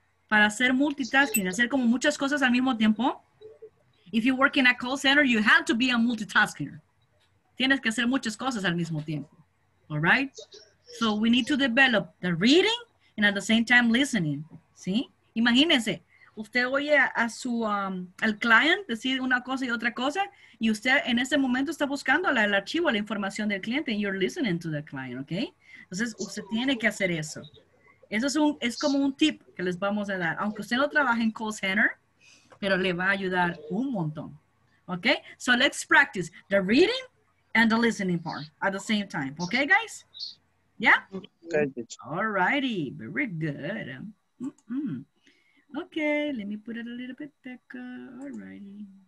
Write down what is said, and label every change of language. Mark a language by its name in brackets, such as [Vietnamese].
[Spanish] Para hacer multitasking, hacer como muchas cosas al mismo tiempo. [English] If you work in a call center, you have to be a multitasker. [Spanish] Tienes que hacer muchas cosas al mismo tiempo. [English] All right? So we need to develop the reading and at the same time listening. [Spanish] ¿Sí? Imagínense, usted oye a su al client decir una cosa y otra cosa, y usted en ese momento está buscando el archivo, la información del cliente, [English] and you're listening to the client, [Spanish] ¿ok? Entonces, usted tiene que hacer eso. Eso es, es como un tip que les vamos a dar. Aunque usted no trabaje en call center, pero le va a ayudar un montón. ¿Ok? [English] So let's practice the reading and the listening part at the same time. ¿Ok, guys? Yeah? Okay. All righty. Very good. Mm-hmm. Ok, let me put it a little bit thicker. All righty.